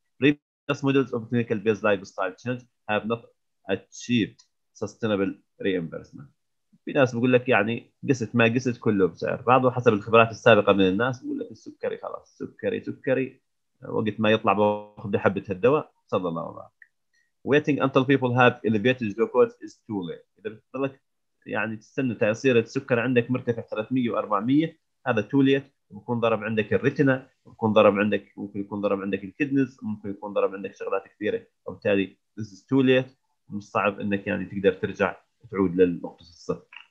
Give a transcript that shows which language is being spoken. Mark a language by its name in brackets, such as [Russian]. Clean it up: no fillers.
[English] Previous models of clinical based lifestyle change have not achieved sustainable reimbursement. [Arabic] في ناس بقول لك يعني قست ما قست كله بسعر، بعضه حسب الخبرات السابقه من الناس بقول لك السكري خلاص سكري سكري، وقت ما يطلع باخذ حبه الدواء صلى الله عليه وسلم. [English] Waiting until people have elevated glucose is too late. [Arabic] إذا بتضلك يعني تستنى تصير السكر عندك مرتفع 300 و400 هذا [English] too late، [Arabic] بكون ضرب عندك الريتنا، بكون ضرب عندك ممكن يكون ضرب عندك الكيدنز، ممكن يكون ضرب عندك شغلات كثيرة، وبالتالي [English] this is too late، [Arabic] مش صعب إنك يعني تقدر ترجع تعود للنقطة الصفر.